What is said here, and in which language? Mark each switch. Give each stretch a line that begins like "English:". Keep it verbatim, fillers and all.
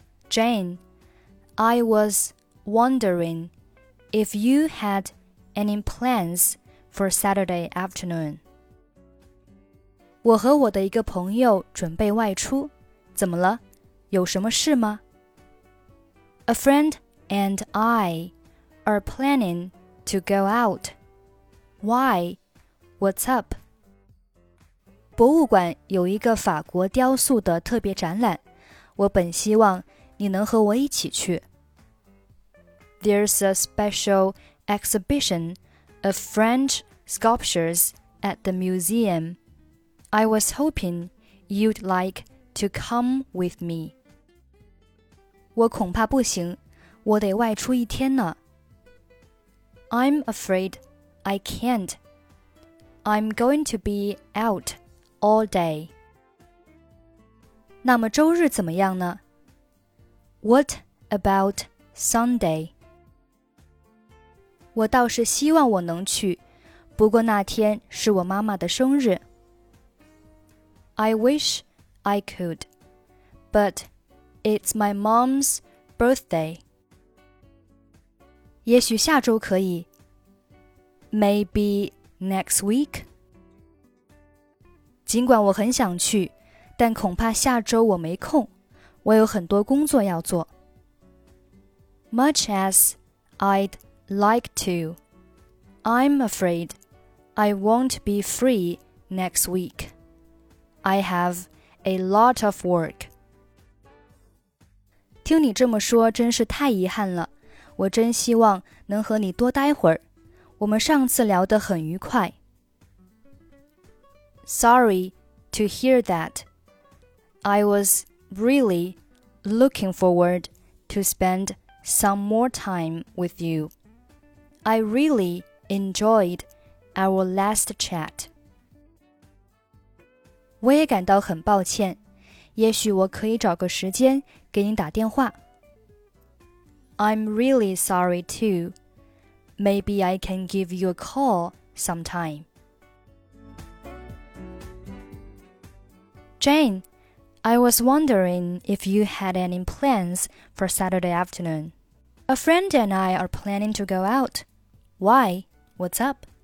English: Jane, I was wondering if you had any plans for Saturday afternoon.
Chinese: 我和我的一个朋友准备外出，怎么了？有什么事吗？
English: A friend and I are planning to go out. Why? What's up?
Chinese: 博物馆有一个法国雕塑的特别展览，我本希望你能和我一起去。
English: There's a special exhibition of French sculptures at the museum. I was hoping you'd like to come with me.
Chinese: 我恐怕不行，我得外出一天呢。
English: I'm afraid I can't. I'm going to be out all day.
Chinese: 那么周日怎么样呢？
English: What about Sunday?
Chinese: 我倒是希望我能去，不过那天是我妈妈的生日。
English: I wish I could, but it's my mom's birthday.
Chinese: 也许下周可以。
English: Maybe next week.
Chinese: 尽管我很想去，但恐怕下周我没空，我有很多工作要做。
English: Much as I'd like to, I'm afraid I won't be free next week. I have a lot of work.
Chinese: 听你这么说真是太遗憾了，我真希望能和你多待会儿，我们上次聊得很愉快。
English: Sorry to hear that. I was really looking forward to spend some more time with you. I really enjoyed our last chat.
Chinese: 我也感到很抱歉，也许我可以找个时间给你打电话。
English: I'm really sorry too. Maybe I can give you a call sometime. Jane, I was wondering if you had any plans for Saturday afternoon. A friend and I are planning to go out. Why? What's up?